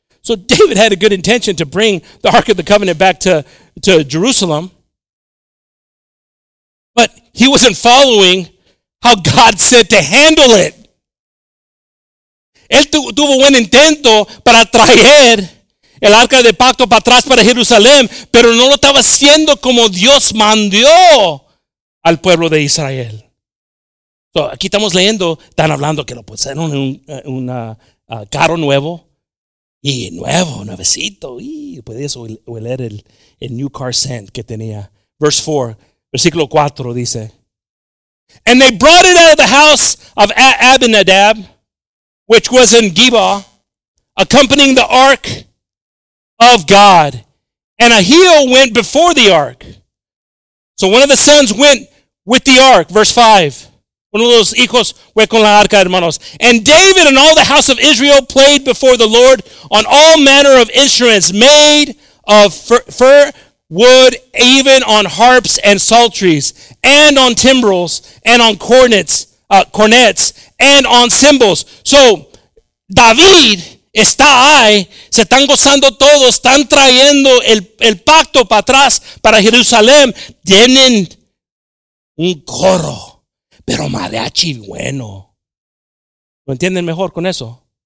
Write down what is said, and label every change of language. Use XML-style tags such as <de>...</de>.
<en>So David had a good intention to bring the Ark of the Covenant back to Jerusalem. But he wasn't following how God said to handle it.</en> <es>Él tuvo buen intento para traer el arca de pacto para atrás para Jerusalén, pero no lo estaba haciendo como Dios mandó al pueblo de Israel. So, aquí estamos leyendo, están hablando que lo pusieron en un carro nuevo, y nuevo, nuevecito, y podías oler el</es> <en>new car scent</en> <es>que tenía.</es> <en>Verse 4,</en> <es>versículo 4 dice,</es> <en>and they brought it out of the house of Abinadab, which was in Geba, accompanying the ark of God. And Ahio went before the ark. So one of the sons went with the ark. Verse 5.</en> <es>Uno de los hijos fue con la arca, hermanos.</es> <en>And David and all the house of Israel played before the Lord on all manner of instruments made of fir wood, even on harps and psalteries, and on timbrels, and on cornets, and on cymbals.</en> <es>So David está ahí, se están gozando todos, están trayendo el pacto para atrás, para Jerusalén. Tienen un coro, pero mariachi bueno. ¿Lo entienden mejor con eso?</es>